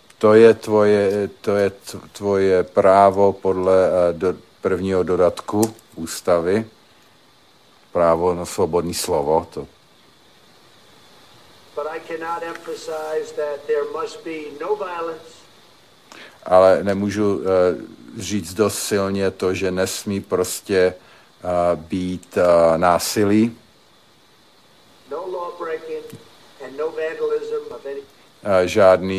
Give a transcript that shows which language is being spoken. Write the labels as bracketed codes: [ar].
[cs] To je tvoje právo podle prvního dodatku ústavy. Právo na svobodné slovo. To. [en] But I cannot emphasize that there must be no violence. [cs] Ale nemůžu říct dost silně to, že nesmí prostě být násilí. [en] No law breaking and no vandalism of any.